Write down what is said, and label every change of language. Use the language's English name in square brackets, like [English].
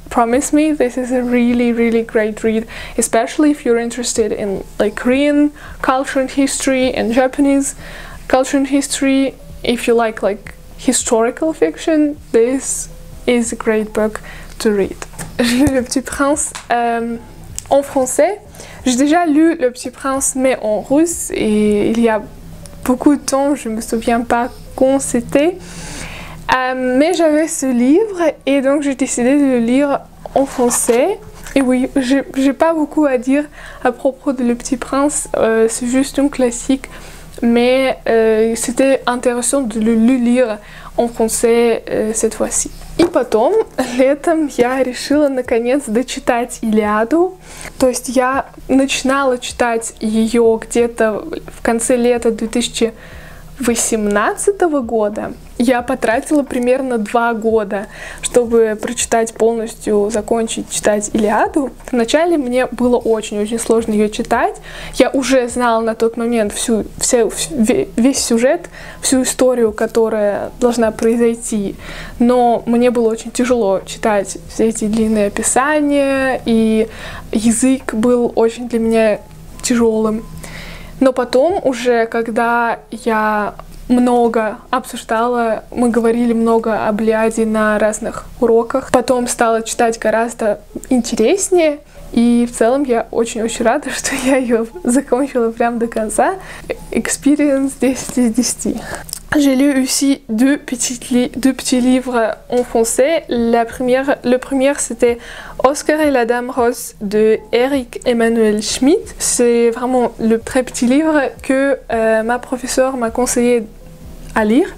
[English] Promise me, this is a really, really great read, especially if you're interested in like Korean culture and history and Japanese culture and history. If you like historical fiction, this is a great book to read. [French] Le Petit Prince en français. J'ai déjà lu Le Petit Prince, mais en russe, et il y a beaucoup de temps, je ne me souviens pas quand c'était. Mais j'avais ce livre, et donc j'ai décidé de le lire en français. Et oui, j'ai pas beaucoup à dire à propos de Le Petit Prince, c'est juste un classique, mais c'était intéressant de le lire en français cette fois-ci. [Russian] И потом, летом, я решила наконец дочитать «Илиаду». То есть я начинала читать ее где-то в конце лета 2018 года. Я потратила примерно 2 года, чтобы прочитать полностью, закончить читать «Илиаду». Вначале мне было очень-очень сложно ее читать. Я уже знала на тот момент весь сюжет, всю историю, которая должна произойти. Но мне было очень тяжело читать все эти длинные описания, и язык был очень для меня тяжелым. Но потом уже, когда я много обсуждала, мы говорили много об Илиаде на разных уроках, потом стала читать гораздо интереснее, и в целом я очень-очень рада, что я ее закончила прям до конца. Experience 10 из 10. [French] J'ai lu aussi deux petits livres en français. Le premier, c'était Oscar et la Dame Rose de Eric Emmanuel Schmidt. C'est vraiment le très petit livre que ma professeure m'a conseillé à lire.